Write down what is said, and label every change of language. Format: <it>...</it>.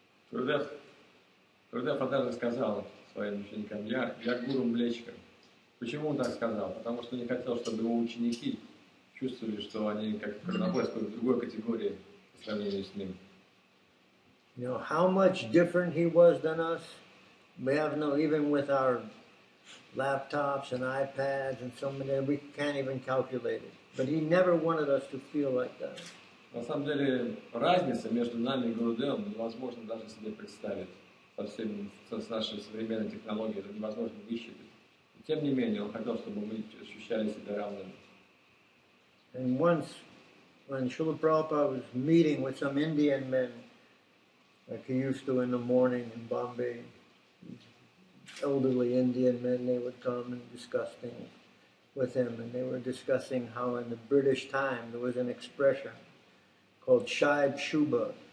<ru>Gurudev однажды сказал своим ученикам, я Гуру Млечка. Почему он так сказал? Потому что не хотел, чтобы его ученики чувствовали, что они как находятся в другой категории по сравнению с ним.</ru> <en>You know, how much different he was than us, we have no, even with our laptops and iPads and so many, we can't even calculate it. But he never wanted us to feel like that.</en> <ru>На самом деле, разница между нами и Гурудевом невозможно даже себе представить. С нашей современной технологией это невозможно высчитать. Тем не менее, он хотел, чтобы мы ощущали себя равными.</ru> <en>And once, when Srila Prabhupada was meeting with some Indian men, like he used to in the morning in Bombay, elderly Indian men, they would come and discuss things with him. And they were discussing how in the British time there was an expression called Shaib Shubha.</en>